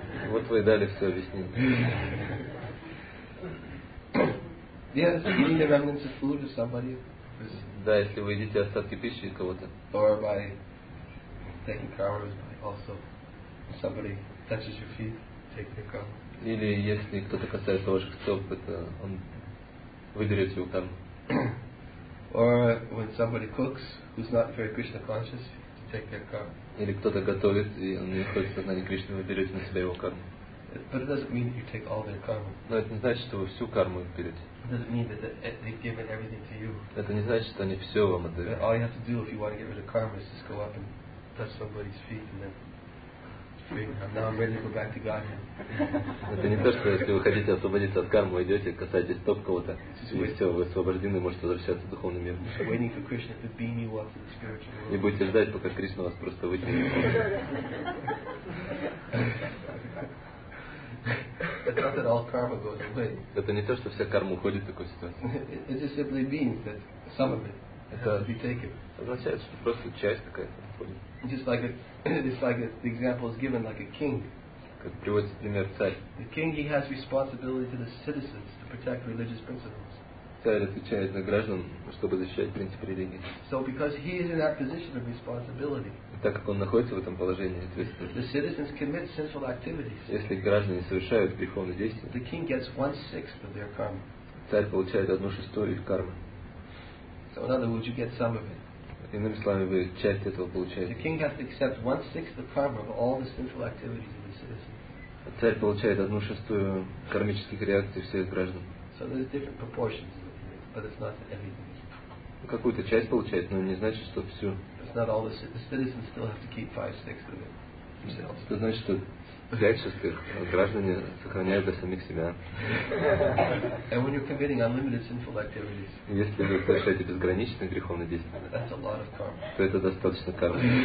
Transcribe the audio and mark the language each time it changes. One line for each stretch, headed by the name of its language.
Russian: Вот вы дали все объяснение.
English: Yes, eating the remnants of food of somebody.
Russian: Да, если вы едите остатки пищи кого-то.
English: Or by taking karma, by also somebody touches your feet, take the cup.
Russian: Или если кто-то касается ваших стоп, это он выберет его там.
English: Or when somebody cooks, who's not very Krishna conscious, take their karma.
Russian: Или кто-то готовит, и он не входит в сознание Кришны, вы берете на себя его карму.
English: But it doesn't mean that you take all their karma.
Russian: Но это не значит, что вы всю карму берете.
English: It doesn't mean that they've given everything to you.
Russian: Это не значит, что они все вам отдают.
English: All you have to do if you want to get rid of karma is just go up and touch somebody's feet and then now I'm ready to go back to Godhead.
Russian: Это не то, что если вы хотите освободиться от кармы, идете, касаетесь стоп кого-то, и все, вы освобождены, можете возвращаться в духовный мир.
English: Waiting for Krishna to beam you up to the spiritual world.
Russian: И будете ждать, пока Кришна вас просто вытянет.
English: It's not that all karma goes away.
Russian: Это не то, что вся карма уходит в такой ситуации.
English: It just simply means that some of it has to be taken.
Russian: Означает, что просто часть какая-то уходит.
English: Just like the example is given, like a king.
Russian: Как приводится пример, царь.
English: The king, he has responsibility to the citizens to protect religious principles.
Russian: Царь отвечает за граждан, чтобы защищать принципы религии.
English: So because he is in that position of responsibility,
Russian: так как он находится в этом положении ответственности,
English: the citizens commit sinful activities.
Russian: Если граждане совершают греховные действия,
English: the king gets 1/6 of their karma.
Russian: Царь получает 1/6 их кармы.
English: So in other words, you get some of it.
Russian: Иными словами, вы часть этого получаете.
English: The king has to accept 1/6 of karma of all the sinful activities of the citizen.
Russian: Царь получает 1/6 кармических реакций всех граждан.
English: So there's different proportions, but it's not everything.
Russian: Какую-то часть получает, но не значит, что всю.
English: It's not all the citizens still have to keep 5/6 of it themselves.
Russian: Это значит, что 5/6 граждане сохраняют для самих себя.
English: And when you're committing unlimited sinful activities,
Russian: если вы совершаете безграничные греховные действия,
English: that's a lot of karma.
Russian: То это достаточно кармы.